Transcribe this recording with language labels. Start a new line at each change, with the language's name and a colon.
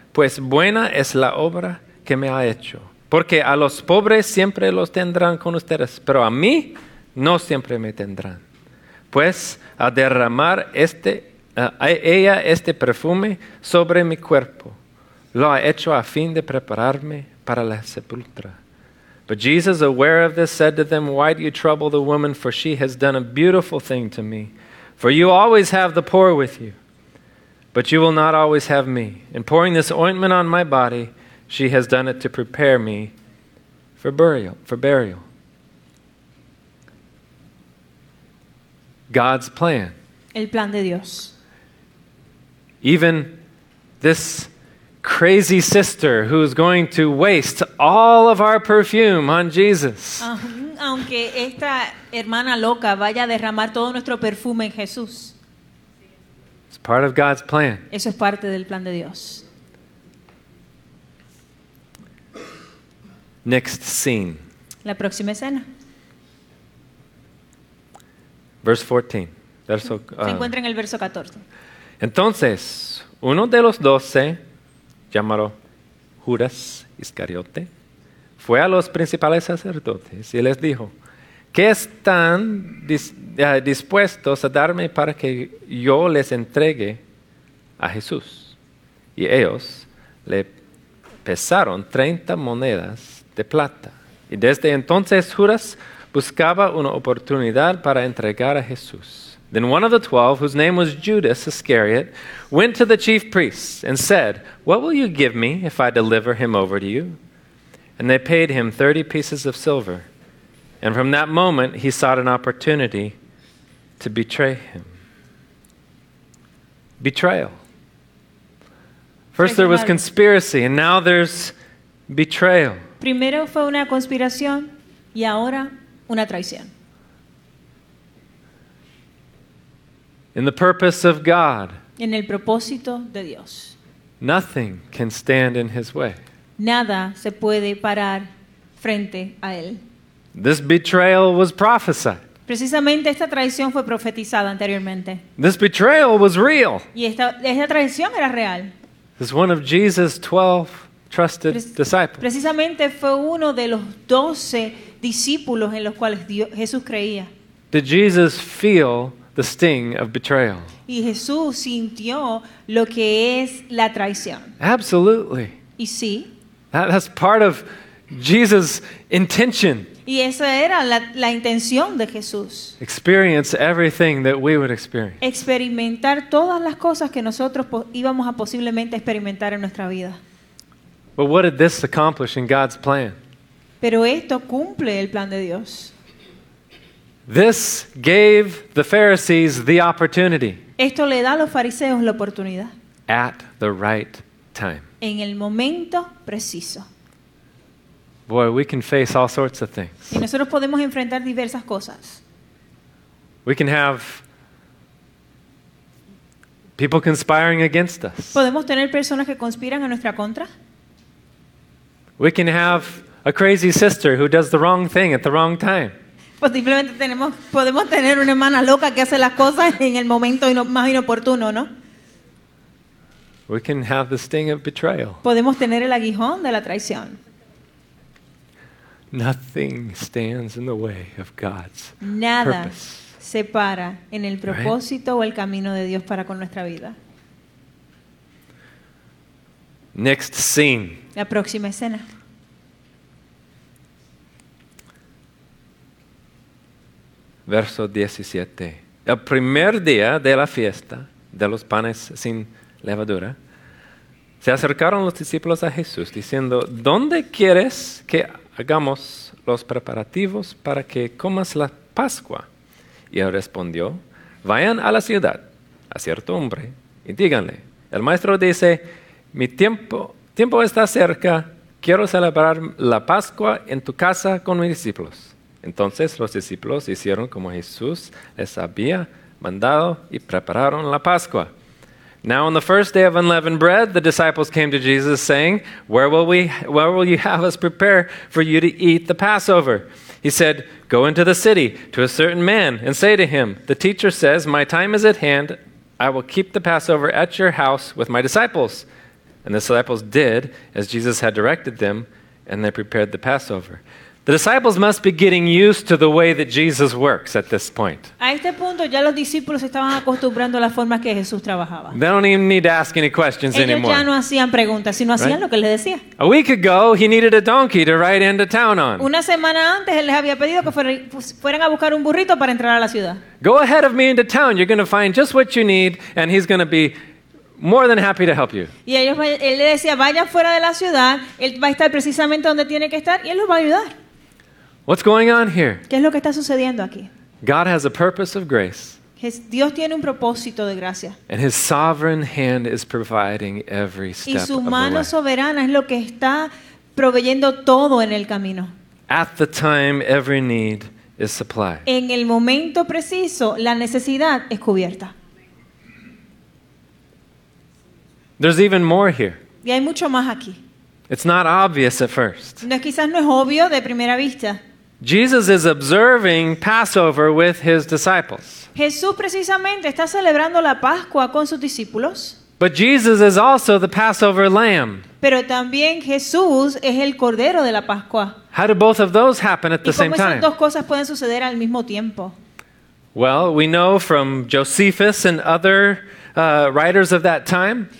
Spanish: Pues buena es la obra que me ha hecho. Porque a los pobres siempre los tendrán con ustedes, pero a mí no siempre me tendrán. Pues a derramar este perfume sobre mi cuerpo, lo ha hecho a fin de prepararme para la sepultura.
English: But Jesus, aware of this, said to them, why do you trouble the woman? For she has done a beautiful thing to me. For you always have the poor with you, but you will not always have me. In pouring this ointment on my body, she has done it to prepare me for burial. God's plan.
Spanish: El plan de Dios.
English: Even this crazy sister who's going to waste all of our perfume on Jesus.
Spanish: Aunque esta hermana loca vaya a derramar todo nuestro perfume en Jesús.
English: It's part of God's plan.
Spanish: Eso es parte del plan de Dios.
English: Next scene.
Spanish: La próxima escena.
English: Verse 14.
Spanish: Se encuentra en el verso 14. Entonces, uno de los doce, llamado Judas Iscariote, fue a los principales sacerdotes y les dijo, ¿qué están dispuestos a darme para que yo les entregue a Jesús? Y ellos le pesaron 30 monedas de plata. Y desde entonces Judas buscaba una oportunidad para entregar a Jesús.
English: Then one of the 12, whose name was Judas Iscariot, went to the chief priests and said, what will you give me if I deliver him over to you? And they paid him 30 pieces of silver. And from that moment, he sought an opportunity to betray him. Betrayal. First there was conspiracy, and now there's betrayal.
Spanish: Primero fue una conspiración, y ahora una traición.
English: In the purpose of God,
Spanish: en el propósito de Dios,
English: nothing can stand in his way.
Spanish: Nada se puede parar frente a él.
English: This betrayal was prophesied.
Spanish: Precisamente esta traición fue profetizada anteriormente.
English: This betrayal was real.
Spanish: Y esta traición era real.
English: This is one of Jesus' 12 trusted disciples.
Spanish: Precisamente fue uno de los 12 discípulos en los cuales Jesús creía.
English: Did Jesus feel the sting of betrayal?
Spanish: Y Jesús sintió lo que es la traición.
English: Absolutely.
Spanish: Y sí.
English: That's part of Jesus' intention.
Spanish: Y esa era la intención de Jesús.
English: Experience everything that we would experience.
Spanish: Experimentar todas las cosas que nosotros íbamos a posiblemente experimentar en nuestra vida.
English: But what did this accomplish in God's plan?
Spanish: Pero esto cumple el plan de Dios.
English: This gave the Pharisees the opportunity.
Spanish: Esto le da a los fariseos la oportunidad.
English: At the right time.
Spanish: En el momento preciso.
English: Boy, we can face all sorts of things.
Spanish: Y nosotros podemos enfrentar diversas cosas.
English: We can have people conspiring against us.
Spanish: Podemos tener personas que conspiran a nuestra contra.
English: We can have a crazy sister who does the wrong thing at the wrong time.
Spanish: Posiblemente podemos tener una hermana loca que hace las cosas en el momento más inoportuno, ¿no?
English: We can have the sting of betrayal.
Spanish: Podemos tener el aguijón de la traición.
English: Nothing stands in the way of God's purpose.
Spanish: Nada se para en el propósito o el camino de Dios para con nuestra vida.
English: Next scene.
Spanish: La próxima escena. Verso 17. El primer día de la fiesta de los panes sin levadura, se acercaron los discípulos a Jesús diciendo, ¿dónde quieres que hagamos los preparativos para que comas la Pascua? Y él respondió, vayan a la ciudad, a cierto hombre, y díganle, el maestro dice, mi tiempo está cerca, quiero celebrar la Pascua en tu casa con mis discípulos. Entonces los discípulos hicieron como Jesús les había mandado y prepararon la Pascua.
English: Now on the first day of unleavened bread, the disciples came to Jesus saying, where will you have us prepare for you to eat the Passover? He said, go into the city to a certain man and say to him, the teacher says, my time is at hand. I will keep the Passover at your house with my disciples. And the disciples did as Jesus had directed them, and they prepared the Passover. The disciples must be getting used to the way that Jesus works at this point.
Spanish: A este punto ya los discípulos estaban acostumbrando a la forma que Jesús trabajaba.
English: They don't even need to ask any questions
Spanish: Ellos
English: anymore.
Spanish: Ya no hacían preguntas, sino hacían
English: right?
Spanish: lo que les decía.
English: A week ago, he needed a donkey to ride into town on.
Spanish: Una semana antes él les había pedido que fueran a buscar un burrito para entrar a la ciudad.
English: Go ahead of me into town, you're going to find just what you need and he's going to be more than happy to help you.
Spanish: Y él le decía, vaya fuera de la ciudad, él va a estar precisamente donde tiene que estar y él los va a ayudar.
English: What's going on here?
Spanish: ¿Qué es lo que está sucediendo aquí?
English: God has a purpose of grace.
Spanish: Dios tiene un propósito de gracia.
English: And his sovereign hand is providing every step of the way.
Spanish: Y su mano soberana es lo que está proveyendo todo en el camino.
English: At the time, every need is supplied.
Spanish: En el momento preciso, la necesidad es cubierta.
English: There's even more here.
Spanish: Y hay mucho más aquí.
English: It's not obvious at first.
Spanish: No, quizás no es obvio de primera vista.
English: Jesus is observing Passover with his disciples.
Spanish: Jesús precisamente está celebrando la Pascua con sus discípulos.
English: But Jesus is also the Passover lamb.
Spanish: Pero también Jesús es el cordero de la Pascua.
English: How do both of those happen at the same time?
Spanish: ¿Y cómo esas dos cosas pueden suceder al mismo tiempo?
English: Well, we know from Josephus and other writers of that time.